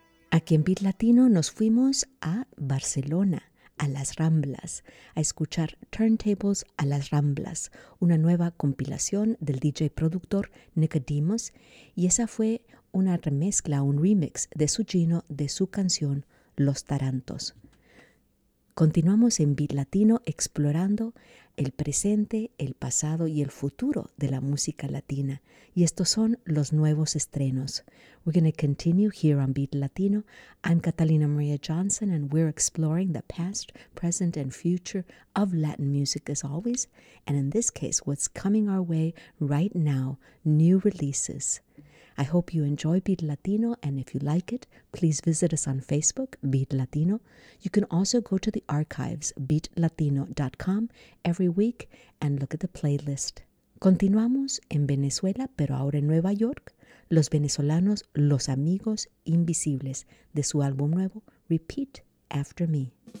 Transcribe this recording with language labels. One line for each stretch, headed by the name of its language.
Spanish: Aquí en Beat Latino nos fuimos a Barcelona, a las Ramblas, a escuchar Turntables a las Ramblas, una nueva compilación del DJ productor Nicodemus, y esa fue una remezcla, un remix de su Gino de su canción Los Tarantos. Continuamos en Beat Latino explorando el presente, el pasado y el futuro de la música latina. Y estos son los nuevos estrenos.
English: We're going to continue here on Beat Latino. I'm Catalina Maria Johnson and we're exploring the past, present and future of Latin music as always. And in this case, what's coming our way right now, new releases. I hope you enjoy Beat Latino, and if you like it, please visit us on Facebook, Beat Latino. You can also go to the archives, beatlatino.com, every week and look at the playlist.
Spanish: Continuamos en Venezuela, pero ahora en Nueva York, los venezolanos Los Amigos Invisibles, de su álbum nuevo, Repeat After Me.